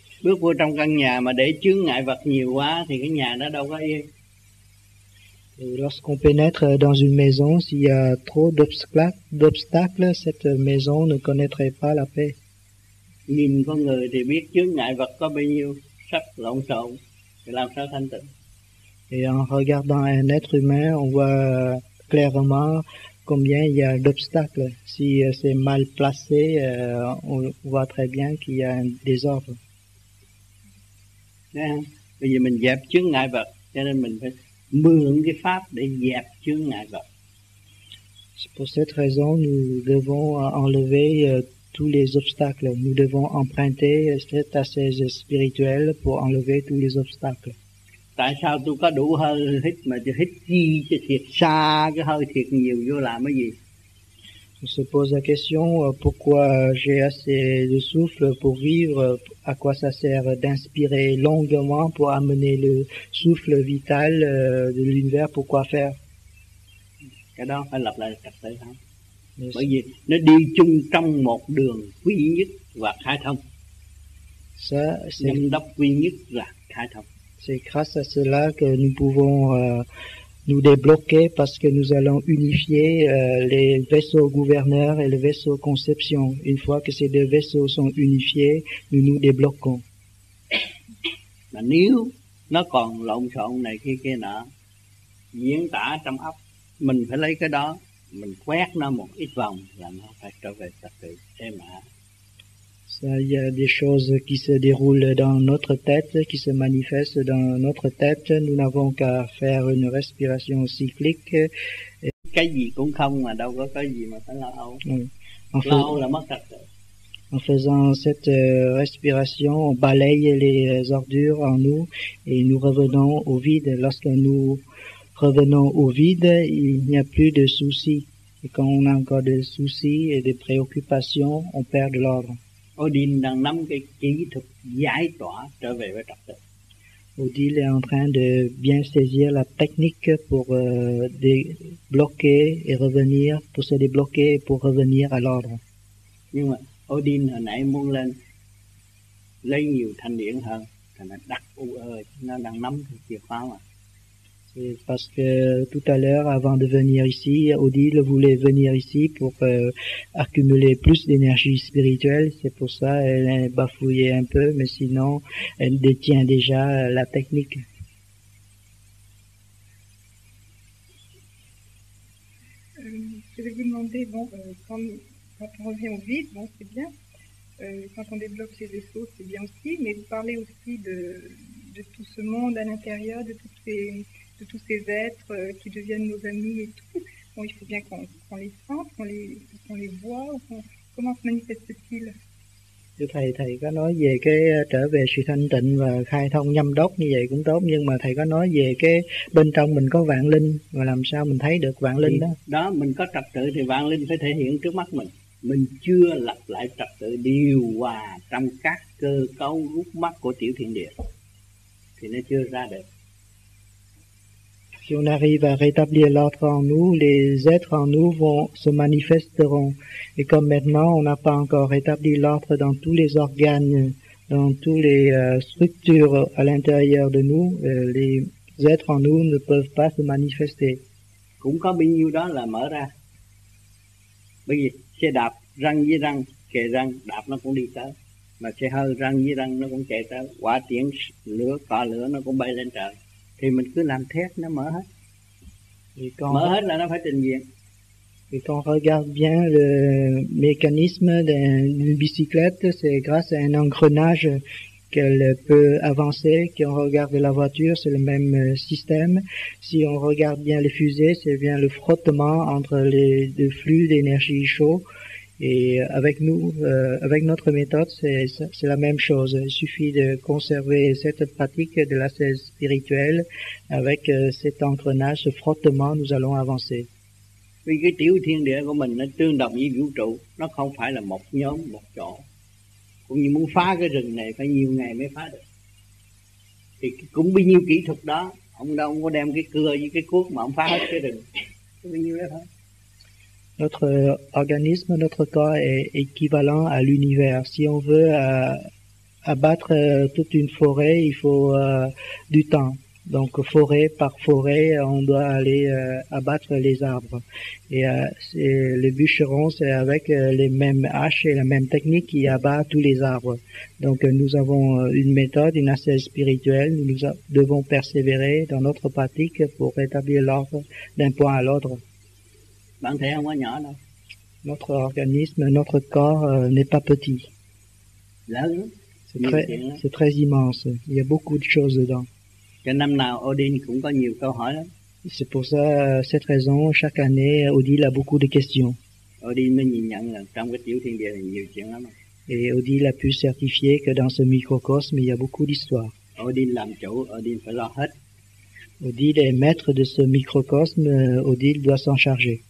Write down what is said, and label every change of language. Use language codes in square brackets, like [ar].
[vi] Bước vô trong căn nhà mà để chướng ngại vật nhiều quá thì cái nhà nó đâu có yên. [fr] Et lorsqu'on pénètre dans une maison, s'il y a trop d'obstacles, cette maison ne connaîtrait pas la paix. [vi] Nhìn con người thì biết chướng ngại vật có bao nhiêu, sắc lộn xộn, thì làm sao thanh tịnh. [fr] Et en regardant un être humain, on voit clairement combien il y a d'obstacles. Si c'est mal placé, on voit très bien qu'il y a un désordre. [vi] Bây giờ mình dẹp chướng ngại vật, cho nên mình phải mượn cái pháp để dẹp chướng ngại vật. [fr] Pour cette raison, nous devons enlever tous les obstacles. Nous devons emprunter cette assise spirituelle pour enlever tous les obstacles. [vi] Tại sao tôi có đủ hơi hít mà chỉ hít chi cho thiệt xa cái hơi thiệt nhiều vô làm cái gì? [fr] On se pose la question, pourquoi j'ai assez de souffle pour vivre, à quoi ça sert d'inspirer longuement pour amener le souffle vital de l'univers, pourquoi faire? [vi] Cái đó phải lập lại trật tự hả? Bởi vì nó đi chung trong một đường quy nhất và khai thông. [fr] Ça, c'est... [vi] Nhân đốc quy nhất là khai thông. [fr] C'est grâce à cela que nous pouvons... nous débloquer parce que nous allons unifier les vaisseaux gouverneurs et le vaisseau conception. Une fois que ces deux vaisseaux sont unifiés, nous nous débloquons. [vi] Mà nếu nó còn lộn xộn này kia nọ, diễn tả trong ấp, mình phải lấy cái đó, mình quét nó một ít vòng là nó phải trở về trật tự êm ả. [fr] Il y a des choses qui se déroulent dans notre tête, qui se manifestent dans notre tête. Nous n'avons qu'à faire une respiration cyclique. [vi] Cái gì cũng không mà đâu có cái gì mà phải lâu. Là mất trật tự. [fr] En faisant cette respiration, on balaye les ordures en nous et nous revenons au vide. Lorsque nous revenons au vide, il n'y a plus de soucis. Et quand on a encore des soucis et des préoccupations, on perd de l'ordre. [vi] Odin đang nắm cái kỹ thuật giải tỏa trở về với trật tự. [fr] Odin est en train de bien saisir la technique pour débloquer et revenir, pour se débloquer et pour revenir à l'ordre. [vi] Nhưng mà Odin hồi nãy muốn lên lấy nhiều thanh điển hơn, thành là đặt u ơi, nó đang nắm cái chìa khóa mà. [fr] Parce que tout à l'heure, avant de venir ici, Odile voulait venir ici pour accumuler plus d'énergie spirituelle. C'est pour ça qu'elle est bafouillée un peu, mais sinon, elle détient déjà la technique. Je vais vous demander, bon, quand on revient au vide, bon, c'est bien. Quand on développe ses vaisseaux, c'est bien aussi. Mais vous parlez aussi de tout ce monde à l'intérieur, de tous ces êtres qui deviennent nos amis et tout. Bon, il faut bien qu'on les sente, qu'on les voit. Comment se manifeste-t-il ? [vi] Thầy có nói về cái trở về sự thanh tịnh và khai thông nhâm đốc như vậy cũng tốt, nhưng mà thầy có nói về cái bên trong mình có vạn linh và làm sao mình thấy được vạn linh đó. Đó, mình có trật tự thì vạn linh phải thể hiện trước mắt mình. Mình chưa lập lại trật tự điều hòa trong các cơ cấu rút mắt của tiểu thiên địa thì nó chưa ra được. [fr] Si on arrive à rétablir l'ordre en nous, les êtres en nous vont se manifesteront. Et comme maintenant, on n'a pas encore rétabli l'ordre dans tous les organes, dans toutes les structures à l'intérieur de nous, les êtres en nous ne peuvent pas se manifester. [vi] Cũng có bao nhiêu đó là mở ra. Bởi vì xe đạp răng với răng, kề răng, đạp nó cũng đi tới. Mà xe hơi răng với răng nó cũng kề tới. Quả tiễn lửa, cọ lửa nó cũng bay lên trời. Thì mình cứ làm thét nó mở hết. Mở hết là nó phải trình diện. [fr] Et quand on regarde bien le mécanisme d'une bicyclette, c'est grâce à un engrenage qu'elle peut avancer. Si on regarde la voiture, c'est le même système. Si on regarde bien les fusées, c'est bien le frottement entre les deux flux d'énergie chaud. Et avec nous, avec notre méthode, c'est la même chose. Il suffit de conserver cette pratique de l'ascèse spirituelle avec cet engrenage, ce frottement, nous allons avancer. [vi] Vì cái tiểu thiên địa của mình nó tương đồng với vũ trụ, nó không phải là một nhóm, một chỗ. Cũng như muốn phá cái rừng này phải nhiều ngày mới phá được. Thì cũng bao nhiêu kỹ thuật đó, ông đâu có đem cái cưa với cái cuốc mà ông phá hết cái rừng. Cũng bao nhiêu đó thôi. [fr] Notre organisme, notre corps est équivalent à l'univers. Si on veut abattre toute une forêt, il faut du temps. Donc forêt par forêt, on doit aller abattre les arbres. Et le bûcheron, c'est avec les mêmes haches et la même technique qui abat tous les arbres. Donc nous avons une méthode, une ascèse spirituelle. Nous devons persévérer dans notre pratique pour rétablir l'ordre d'un point à l'autre. [vi] Bản thể không có nhỏ đâu. [fr] Notre organisme, notre corps n'est pas petit. [vi] Lớn. [fr] C'est très immense. Il y a beaucoup de choses dedans. [vi] Cái năm nào Odin cũng có nhiều câu hỏi lắm. [fr] C'est pour ça, cette raison, chaque année, Odile a beaucoup de questions. [vi] Odin mới nhìn nhận là trong cái tiểu thiên địa này nhiều chuyện lắm. [fr] Et Odile a pu certifier que dans ce microcosme, il y a beaucoup d'histoires. [vi] Odin làm chủ, Odin phải lo hết. [fr] Odile est maître de ce microcosme, Odile doit s'en charger.